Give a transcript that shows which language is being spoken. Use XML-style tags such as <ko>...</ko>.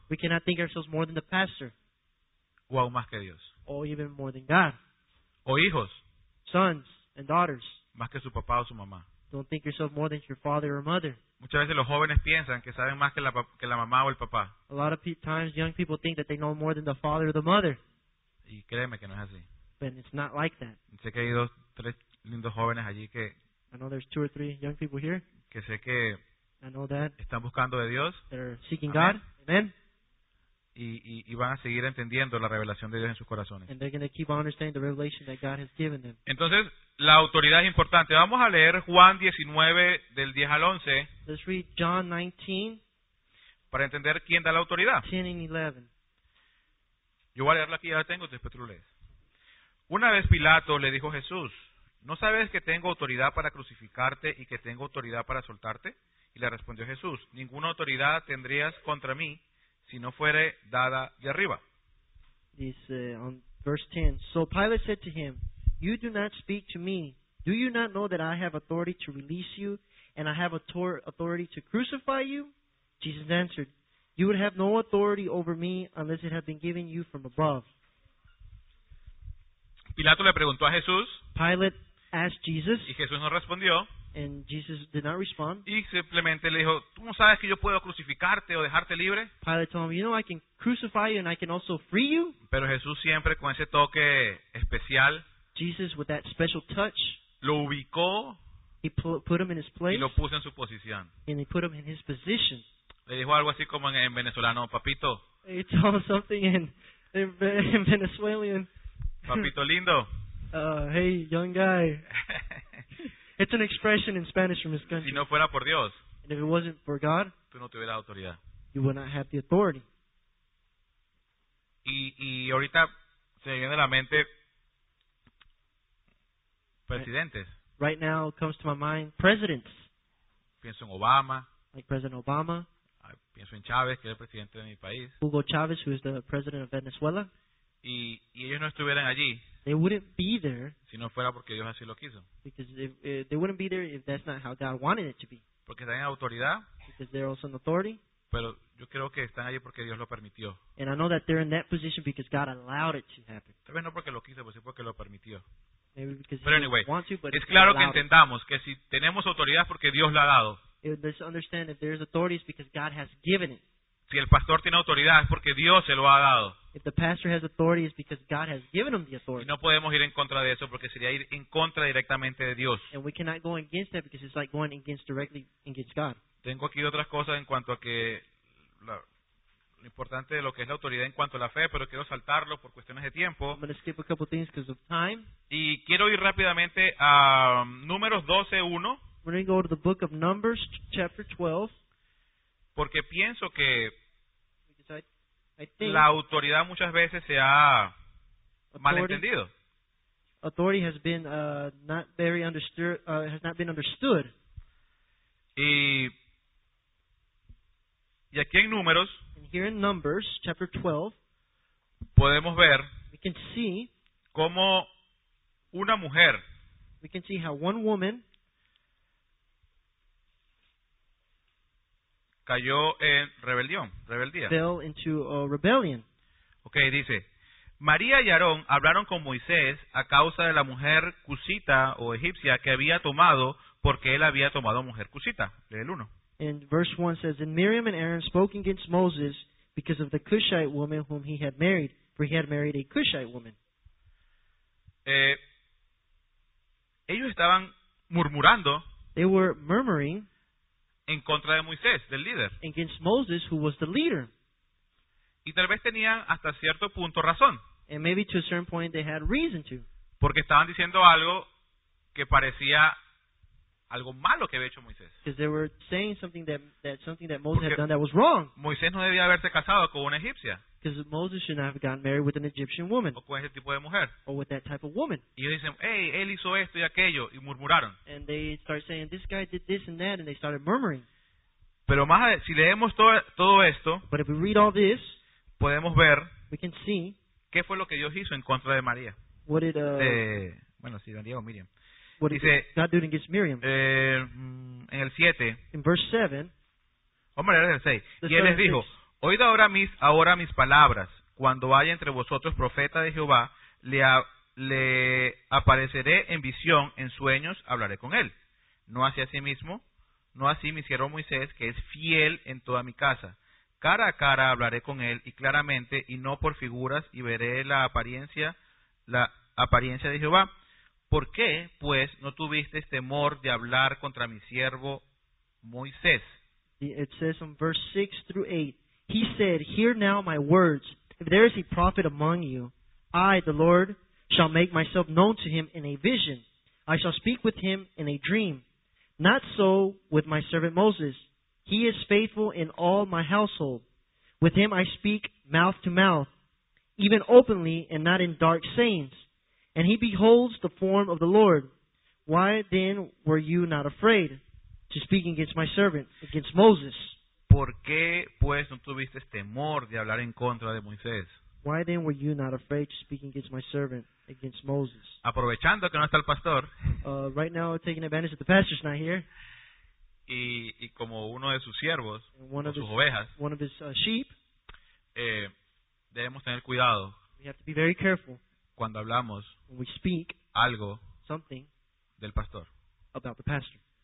<en>We cannot think ourselves more than the pastor.</en> <es>O aún más que Dios.</es> <en>Or even more than God.</en> <es>O hijos.</es> <en>Sons and daughters.</en> <es>Más que su papá o su mamá.</es> <en>Don't think yourself more than your father or mother.</en> <es>Muchas veces los jóvenes piensan que saben más que la mamá o el papá.</es> <en>A lot of times young people think that they know more than the father or the mother.</en> <es>Y créeme que no es así.</es> <en>But it's not like that.</en> <es>Sé que hay dos, tres lindos jóvenes allí que</es> <en>I know there's two or three young people here.</en> <es>Que sé que</es> <en>I know that</en> <es>están buscando de Dios.</es> <en>They're seeking God. Amen.</en> <es>Y van a seguir entendiendo la revelación de Dios en sus corazones.</es> <en>And they're going to keep on understanding the revelation that God has given them.</en> <es>Entonces, la autoridad es importante. Vamos a leer Juan 19, del 10 al 11.</es> <en>Let's read John 19.</en> <es>Para entender quién da la autoridad.</es> <en>10 and 11.</en> <es>Yo voy a leerla aquí, ya la tengo, después tú lo lees. Una vez Pilato le dijo a Jesús, ¿no sabes que tengo autoridad para crucificarte y que tengo autoridad para soltarte? Y le respondió Jesús, ninguna autoridad tendrías contra mí si no fuere dada de arriba. Dice,</es> <en>on verse 10, so Pilate said to him, you do not speak to me. Do you not know that I have authority to release you, and I have authority to crucify you? Jesus answered, you would have no authority over me unless it had been given you from above.</en> <es>Pilato le preguntó a Jesús.</es> <en>Pilate asked Jesus.</en> <es>Y Jesús no respondió.</es> <en>And Jesus did not respond.</en> <es>Y simplemente le dijo, ¿tú no sabes que yo puedo crucificarte o dejarte libre?</es> <en>Pilate told him, you know, I can crucify you and I can also free you.</en> <es>Pero Jesús siempre con ese toque especial.</es> <en>Jesus, with that special touch,</en> <es>lo ubicó</es> <en>He put him in his place.</en> <es>Y lo puso en su posición.</es> <en>And he put him in his position.</en> <es>Le dijo algo así como en venezolano, papito.</es> <en>He told him something in Venezuelan.</en> <es>Papito lindo.</es> <en>Hey, young guy. It's an expression in Spanish from his country.</en> <es>Si no fuera por Dios.</es> <en>And if it wasn't for God,</en> <es>tú no tuvieras autoridad.</es> <en>You would not have the authority.</en> <es>Y ahorita se me viene a la mente presidentes.</es> <en>Right now comes to my mind presidents.</en> <es>Pienso en Obama.</es> <en>Like President Obama.</en> <es>Pienso en Chávez, que es el presidente de mi país.</es> <en>Hugo Chávez, who is the president of Venezuela.</en> <es>Y ellos no estuvieran allí.</es> <en>They wouldn't be there.</en> <es>Si no fuera porque Dios así lo quiso.</es> <en>Because they wouldn't be there if that's not how God wanted it to be.</en> <es>Porque están en autoridad.</es> <en>Because they're also in authority.</en> <es>Pero yo creo que están allí porque Dios lo permitió.</es> <en>And I know that they're in that position because God allowed it to happen.</en> <es>Tal vez no porque lo quiso, pero sí porque lo permitió.</es> <en>Maybe because</en> <es>pero</es> <en>he anyway, want to, but</en> <es>es claro que entendamos que si tenemos autoridad porque Dios la ha dado.</es> <en>Let's understand if there's authority is because God has given it.</en> <es>Si el pastor tiene autoridad es porque Dios se lo ha dado.</es> <en>If the pastor has authority is because God has given him the authority.</en> <es>Y no podemos ir en contra de eso porque sería ir en contra directamente de Dios.</es> <en>And we cannot go against that because it's like going against directly against God.</en> <es>Tengo aquí otras cosas en cuanto a que lo importante de lo que es la autoridad en cuanto a la fe, pero quiero saltarlo por cuestiones de tiempo.</es> <en>I'm going to skip a couple things because of time.</en> <es>Y quiero ir rápidamente a Números 12:1.</es> <en>We're going to go to the book of Numbers, chapter 12.</en> <es>Porque pienso que</es> <en>I think</en> <es>la autoridad muchas veces se ha malentendido.</es> <en>Authority has been not very understood. Has not been understood.</en> <es>Y aquí en Números,</es> <en>and here in Numbers, chapter 12,</en> <es>podemos ver</es> <en>we can see</en> <es>cómo una mujer,</es> <en>we can see how one woman</en> <es>cayó en rebelión, rebeldía.</es> <en>Fell into a rebellion.</en> <es>Okay, dice, María y Aarón hablaron con Moisés a causa de la mujer cusita o egipcia que había tomado porque él había tomado mujer cusita. Lee el 1.</es> <en>And verse 1 says, and Miriam and Aaron spoke against Moses because of the Cushite woman whom he had married, for he had married a Cushite woman.</en> <es>Ellos estaban murmurando.</es> <en>They were murmuring.</en> <es>En contra de Moisés, del líder.</es> <en>Against Moses, who was the leader.</en> <es>Y tal vez tenían hasta cierto punto razón.</es> <en>And maybe to a certain point they had reason to.</en> <es>Porque estaban diciendo algo que parecía algo malo que había hecho Moisés.</es> <en>Because they were saying something that Moses had done that was wrong.</en> <es>Moisés no debía haberse casado con una egipcia.</es> <en>Because Moses should not have gotten married with an Egyptian woman.</en> <es>O con ese tipo de mujer.</es> <en>Or with that type of woman.</en> <es>Y ellos dicen, hey, él hizo esto y aquello, y murmuraron.</es> <en>And they start saying, this guy did this and that, and they started murmuring.</en> <es>Pero más si leemos todo esto,</es> <en>but if we read all this,</en> <es>podemos ver,</es> <en>we can see,</en> <es>qué fue lo que Dios hizo en contra de María.</es> <en>What did,</en> <es>bueno, si María o Miriam.</es> <en>What</en> <es>dice,</es> <en>did God do against Miriam?</en> <es>En el 7.</es> <en>In verse 7.</en> <es>Vamos a leer el 6. Y él les dijo, oíd ahora mis palabras. Cuando haya entre vosotros profeta de Jehová, le apareceré en visión, en sueños, hablaré con él. No así a sí mismo, no así mi siervo Moisés, que es fiel en toda mi casa. Cara a cara hablaré con él, y claramente, y no por figuras, y veré la apariencia de Jehová. ¿Por qué, pues, no tuviste temor de hablar contra mi siervo Moisés?</es> <en>It says in verse 6 through 8, he said, hear now my words. If there is a prophet among you, I, the Lord, shall make myself known to him in a vision. I shall speak with him in a dream. Not so with my servant Moses. He is faithful in all my household. With him I speak mouth to mouth, even openly and not in dark sayings. And he beholds the form of the Lord. Why then were you not afraid to speak against my servant, against Moses?</en> <es>¿Por qué, pues, no tuviste temor de hablar en contra de Moisés?</es> <en>Why then were you not afraid to speak against my servant, against Moses?</en> <es>Aprovechando que no está el pastor.</es> <en>Right now, taking advantage that the pastor's not here.</en> <es>Y como uno de sus siervos, sus ovejas,</es> <en>one of his sheep,</en> <es>debemos tener cuidado.</es> <en>We have to be very careful</en> <es>cuando hablamos</es> <en>when we speak</en> <es>algo</es> <en>something</en> <es>del pastor.</es> <en>About the pastor.</en>